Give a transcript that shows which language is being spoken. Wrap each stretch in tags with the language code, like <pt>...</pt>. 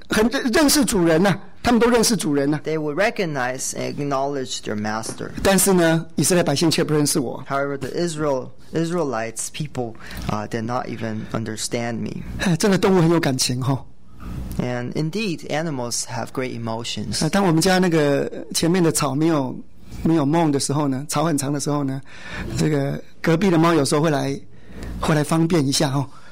<zh>这个很懂得认识主人呐，他们都认识主人呐。</zh> <en>They will recognize and acknowledge their master.</en> <zh>但是呢，以色列百姓却不认识我。</zh> <en>However, the Israelites people did not even understand me.</en> <zh>真的动物很有感情哦。</zh> <en>And indeed, animals have great emotions.</en> <zh>当我们家那个前面的草没有。没有梦的时候呢，草很长的时候呢， 这个隔壁的猫有时候会来方便一下哦。</zh>